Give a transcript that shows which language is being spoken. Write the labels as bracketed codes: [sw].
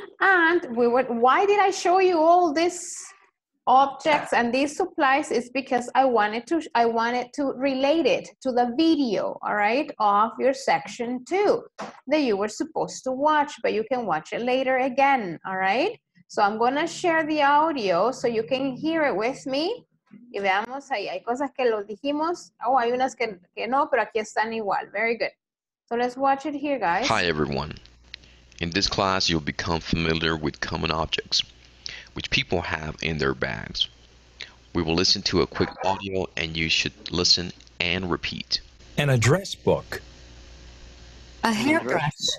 [en] And we were, why did I show you all these objects and these supplies? It's because I wanted to relate it to the video, all right, of your section 2 that you were supposed to watch, but you can watch it later again, all right? So I'm going to share the audio so you can hear it with me. [es] Y veamos ahí, hay cosas que lo dijimos, oh, hay unas que no, pero aquí están igual. [en] Very good. So let's watch it here, guys. Hi, everyone. In this class, you'll become familiar with common objects, which people have in their bags. We will listen to a quick audio, and you should listen and repeat. An address book. A hairbrush.